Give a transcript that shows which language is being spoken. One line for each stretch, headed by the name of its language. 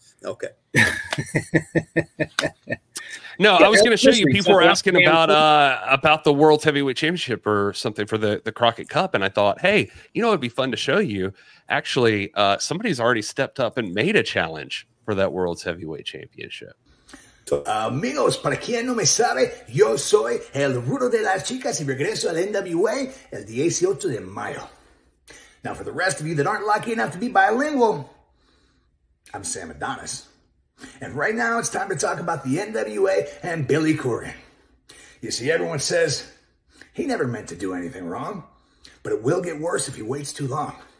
English: Okay. No, yeah, I was going to show you. People were asking about the World Heavyweight Championship or something for the Crockett Cup, and I thought, hey, you know it'd be fun to show you? Actually, somebody's already stepped up and made a challenge for that World's Heavyweight Championship.
Spanish: Amigos, para quien no me sabe, yo soy el rudo de las chicas y regreso al NWA el 18 de mayo.
English: Now, for the rest of you that aren't lucky enough to be bilingual, I'm Sam Adonis. And right now, it's time to talk about the NWA and Billy Corgan. You see, everyone says he never meant to do anything wrong, but it will get worse if he waits too long.